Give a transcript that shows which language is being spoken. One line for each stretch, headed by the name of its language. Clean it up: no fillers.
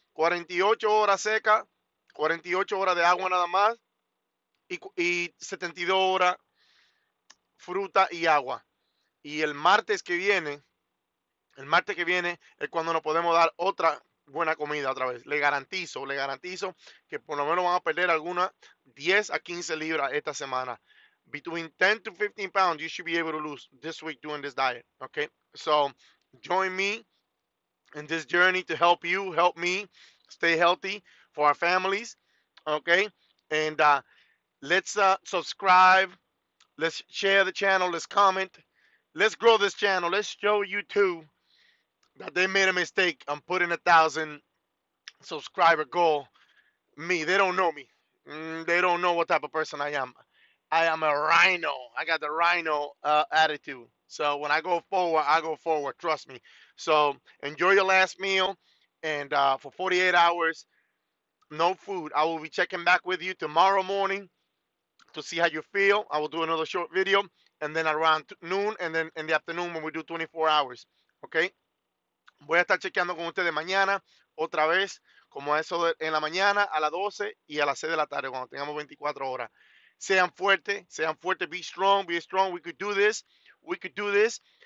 Spanish: 48 horas seca, 48 horas de agua nada más y 72 horas fruta y agua. Y el martes que viene es cuando nos podemos dar otra buena comida otra vez. Le garantizo que por lo menos van a perder algunas 10 a 15 libras esta semana.
English: Between 10 to 15 pounds, you should be able to lose this week doing this diet. Okay? So, join me in this journey to help you, help me stay healthy for our families. Okay? And let's subscribe. Let's share the channel. Let's comment. Let's grow this channel. Let's show YouTube that they made a mistake on putting 1,000 subscriber goal. Me, they don't know me. They don't know what type of person I am. I am a rhino. I got the rhino attitude. So when I go forward, I go forward. Trust me. So enjoy your last meal. And for 48 hours, no food. I will be checking back with you tomorrow morning to see how you feel. I will do another short video. And then around noon, and then in the afternoon when we do 24 hours. Okay?
Spanish: Voy a estar chequeando con ustedes mañana, otra vez, como eso de, en la mañana, a las 12 y a las 6 de la tarde, cuando tengamos 24 horas. Sean fuertes,
English: be strong, we could do this, we could do this.